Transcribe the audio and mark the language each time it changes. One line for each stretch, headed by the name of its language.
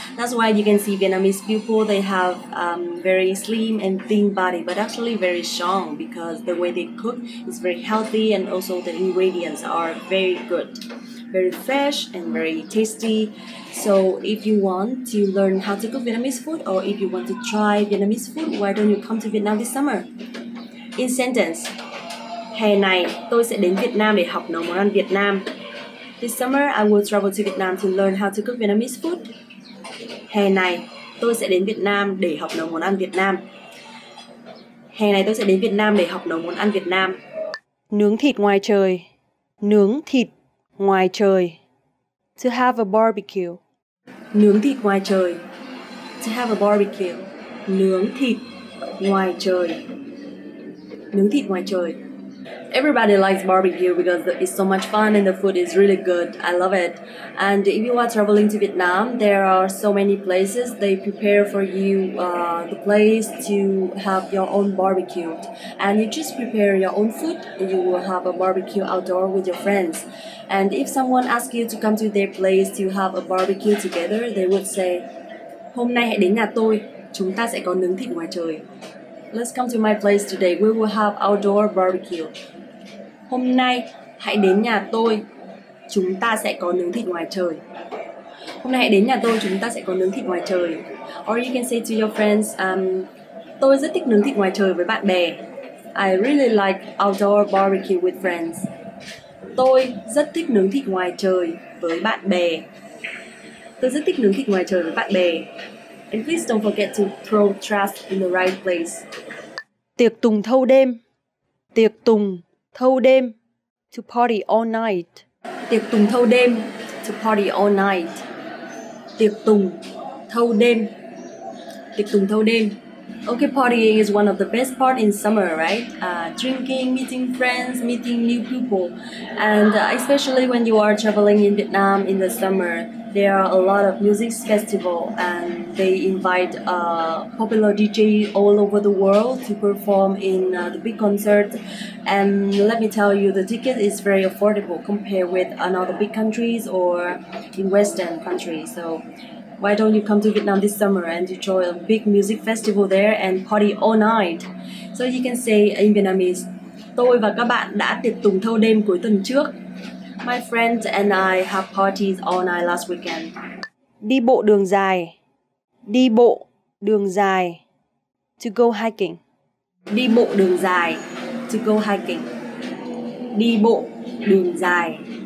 English: That's why you can see Vietnamese people, they have very slim and thin body, but actually very strong because the way they cook is very healthy and also the ingredients are very good. Very fresh and very tasty. So if you want to learn how to cook Vietnamese food, or if you want to try Vietnamese food, why don't you come to Vietnam this summer? In sentence,
Vietnamese: hè này tôi sẽ đến Việt Nam để học nấu món ăn Việt Nam.
English: This summer I will travel to Vietnam to learn how to cook Vietnamese food.
Vietnamese: Hè này tôi sẽ đến Việt Nam để học nấu món ăn Việt Nam. Hè này tôi sẽ đến Việt Nam để học nấu món ăn Việt Nam. Nướng thịt ngoài trời. Nướng thịt ngoài trời.
English: To have a barbecue.
Vietnamese: Nướng thịt ngoài trời.
English: To have a barbecue.
Vietnamese: Nướng thịt ngoài trời. Nướng thịt ngoài trời.
English: Everybody likes barbecue because it's so much fun and the food is really good. I love it. And if you are traveling to Vietnam, there are so many places they prepare for you the place to have your own barbecue. And you just prepare your own food and you will have a barbecue outdoor with your friends. And if someone asks you to come to their place to have a barbecue together, they would say,
Vietnamese: hôm nay hãy đến nhà tôi chúng ta sẽ có nướng thịt ngoài trời.
English: Let's come to my place today. We will have outdoor barbecue.
Vietnamese: Hôm nay, hãy đến nhà tôi. Chúng ta sẽ có nướng thịt ngoài trời. Hôm nay hãy đến nhà tôi, chúng ta sẽ có nướng thịt ngoài trời.
English: Or you can say to your friends,
Vietnamese: tôi rất thích nướng thịt ngoài trời với bạn bè.
English: I really like outdoor barbecue with friends.
Vietnamese: Tôi rất thích nướng thịt ngoài trời với bạn bè. Tôi rất thích nướng thịt ngoài trời với bạn bè.
English: And please don't forget to throw trash in the right place.
Vietnamese: Tiệc tùng thâu đêm. Tiệc tùng thâu đêm.
English: To party all night.
Vietnamese: Tiệc tùng thâu đêm.
English: To party all night.
Vietnamese: Tiệc tùng thâu đêm. Tiệc tùng thâu đêm.
English: Okay, partying is one of the best part in summer, right? Drinking, meeting friends, meeting new people. And especially when you are traveling in Vietnam in the summer, there are a lot of music festivals and they invite popular DJ all over the world to perform in the big concert. And let me tell you, the ticket is very affordable compared with another big countries or in Western countries. So why don't you come to Vietnam this summer and enjoy a big music festival there and party all night? So you can say in Vietnamese,
Vietnamese: tôi và các bạn đã tiệc tùng thâu đêm cuối tuần trước.
English: My friends and I have parties all night last weekend.
Vietnamese: Đi bộ đường dài. Đi bộ đường dài.
English: To go hiking.
Vietnamese: Đi bộ đường dài.
English: To go hiking.
Vietnamese: Đi bộ đường dài.